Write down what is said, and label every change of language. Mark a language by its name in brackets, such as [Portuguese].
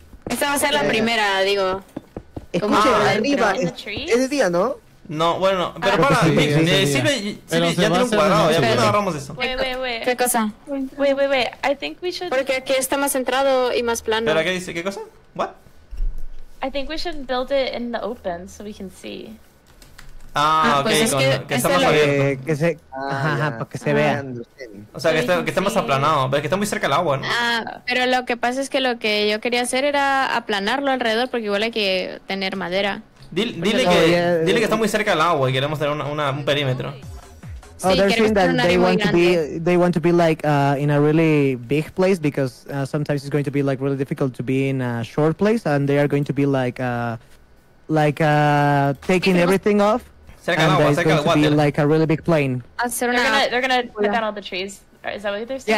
[Spanish] Esta va a ser la primera, digo. Escucha, arriba. Es día, ¿no? No, bueno, pero para. Sirve, ya tiene un cuadrado, ya no agarramos eso. [English] Wait. [Spanish] ¿Qué cosa? [English] Wait. I think we should. [Spanish] Porque aquí está más centrado y más plano. ¿Pero qué dice? ¿Qué cosa? [English] What? I think we should build it in the open so we can see. [Spanish] Ah, ok, pues es que está más abierto. Que se. Para que se vea. O sea, que está más aplanado. Pero es que está muy cerca el agua, ¿no? Ah, pero lo que pasa es que lo que yo quería hacer era aplanarlo alrededor, porque igual hay que tener madera. Dile que está muy cerca el agua y queremos tener un perímetro. [English] Oh, they're saying that they want to be like in a really big place because sometimes it's going to be like really difficult to be in a short place and they are going to be like. Taking everything off. Cerca and it's going to be like a really big plane. They're gonna put down all the trees. Is that what they're saying?